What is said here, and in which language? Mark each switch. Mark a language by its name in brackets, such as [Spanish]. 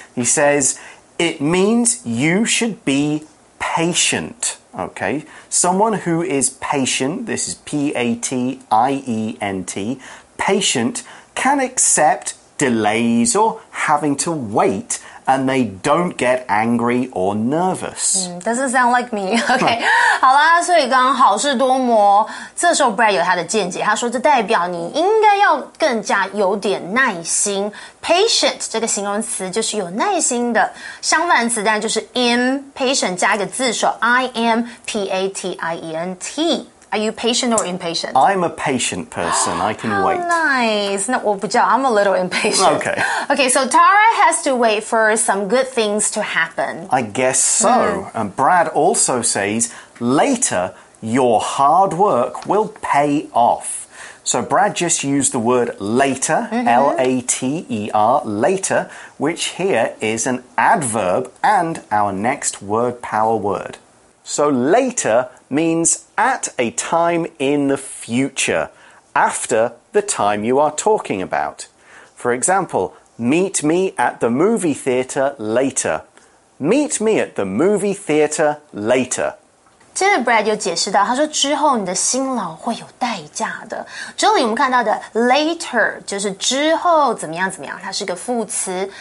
[English] He says, it means you should be patient. Okay, someone who is patient, this is P-A-T-I-E-N-T, patient can accept delays or having to wait and they don't get angry or nervous. Doesn't sound like me. [Chinese] Okay, 好啦，所以刚刚好事多磨，这时候 Brad 有他的见解，他说这代表你应该要更加有点耐心。 Patient 这个形容词就是有耐心的，相反词但就是 impatient 加一个字首 I-M-P-A-T-I-E-N-T. [English] Are you patient or impatient? I'm a patient person, I can wait. Nice, [Chinese] 那我不叫 [English] I'm a little impatient. Okay. Okay, so Tara has to wait for some good things to happen. I guess so. And Brad also says, later, your hard work will pay off. So Brad just used the word later,、L-A-T-E-R, later, which here is an adverb and our next word power word. So later means at a time in the future, after the time you are talking about. For example, meet me at the movie theater later. Meet me at the movie theater later. [Chinese] 接着 Brad 又解释到，他说之后你的辛劳会有代价的。这里我们看到的 later 就是之后怎么样怎么样，它是个副词。